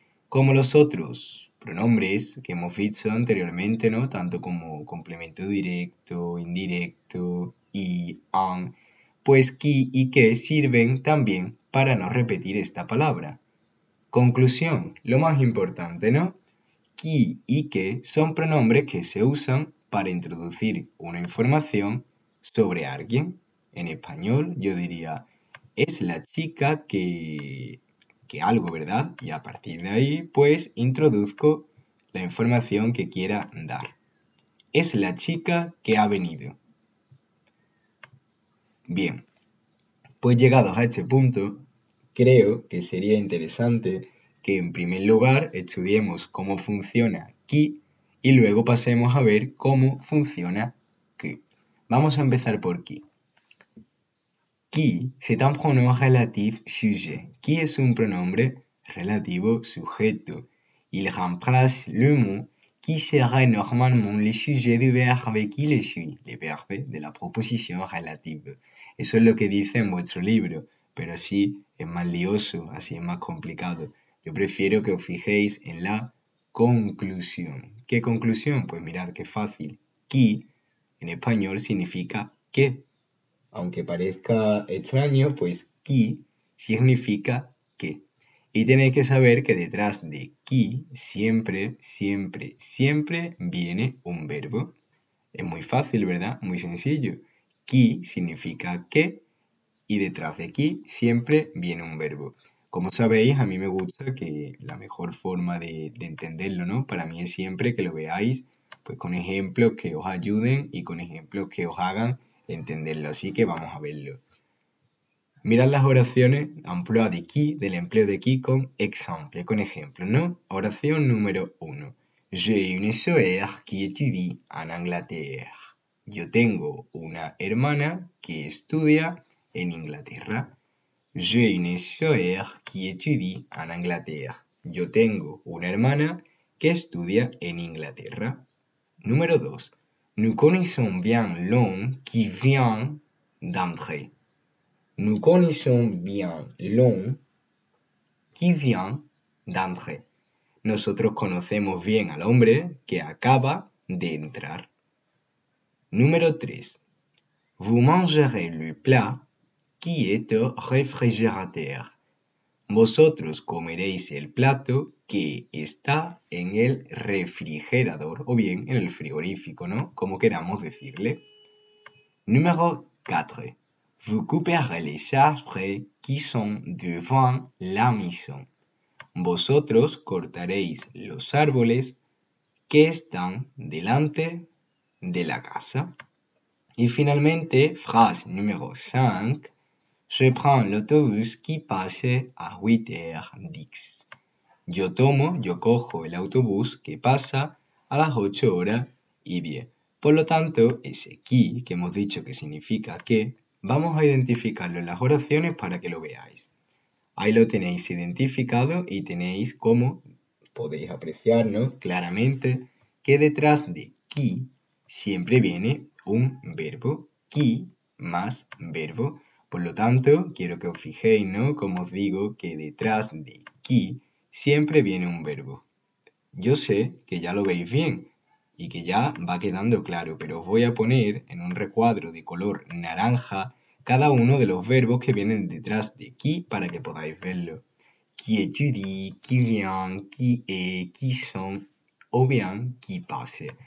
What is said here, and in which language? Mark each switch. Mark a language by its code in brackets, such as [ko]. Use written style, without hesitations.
[es] Como los otros pronombres que hemos visto anteriormente, ¿no? Tanto como complemento directo, indirecto, y, an, pues qui y que sirven también para no repetir esta palabra. Conclusión, lo más importante, ¿no? Qui y que son pronombres que se usan para introducir una información sobre alguien. En español yo diría, es la chica que algo, ¿verdad? Y a partir de ahí, pues, introduzco la información que quiera dar. Es la chica que ha venido. Bien, pues llegados a este punto, creo que sería interesante que en primer lugar estudiemos cómo funciona qui y luego pasemos a ver cómo funciona que. Vamos a empezar por qui. [fr] Qui, c'est un pronom relatif sujet. [es] Qui es un pronombre relativo sujeto. [fr] Il remplace le mot qui serait normalement le sujet du verbe qui le suit. Le verbe de la proposición relative. [es] Eso es lo que dice en vuestro libro, pero así es más lioso, así es más complicado. Yo prefiero que os fijéis en la conclusión. ¿Qué conclusión? Pues mirad qué fácil. Qui en español significa qué. Aunque parezca extraño, pues qui significa qué. Y tenéis que saber que detrás de qui siempre, siempre, siempre viene un verbo. Es muy fácil, ¿verdad? Muy sencillo. Qui significa qué y detrás de qui siempre viene un verbo. Como sabéis, a mí me gusta que la mejor forma de entenderlo, ¿no? Para mí es siempre que lo veáis, pues con ejemplos que os ayuden y con ejemplos que os hagan entenderlo. Así que vamos a verlo. Mirad las oraciones, [fr] emploi de qui, [es] del empleo de qui con exemple, con ejemplo, ¿no? Oración número 1. [fr] J'ai une sœur qui étudie en Angleterre. [es] Yo tengo una hermana que estudia en Inglaterra. [fr] J'ai une sœur qui étudie en Angleterre. [es] Yo tengo una hermana que estudia en Inglaterra. Número 2. [fr] Nous connaissons bien l'homme qui vient d'entrer. Nous connaissons bien l'homme qui vient d'entrer. [es] Nosotros conocemos bien al hombre que acaba de entrar. Número 3. [fr] Vous mangerez le plat qui est au réfrigérateur. [es] Vosotros comeréis el plato que está en el refrigerador o bien en el frigorífico, ¿no? Como queramos decirle. Número 4. [fr] Vous couperez les arbres qui sont devant la maison. [es] Vosotros cortaréis los árboles que están delante de la casa. Y finalmente, frase número 5. [fr] Je prends l'autobus qui passe à 8h10. [es] Yo cojo el autobús que pasa a las 8h10. Por lo tanto, ese qui que hemos dicho que significa qué, vamos a identificarlo en las oraciones para que lo veáis. Ahí lo tenéis identificado y tenéis cómo podéis apreciar, ¿no? Claramente que detrás de qui siempre viene un verbo, qui más verbo. Por lo tanto, quiero que os fijéis, ¿no? Como os digo, que detrás de qui siempre viene un verbo. Yo sé que ya lo veis bien y que ya va quedando claro, pero os voy a poner en un recuadro de color naranja cada uno de los verbos que vienen detrás de qui para que podáis verlo. [fr] Qui étudie, qui vient, qui est, qui sont, [es] o bien [fr] qui passe.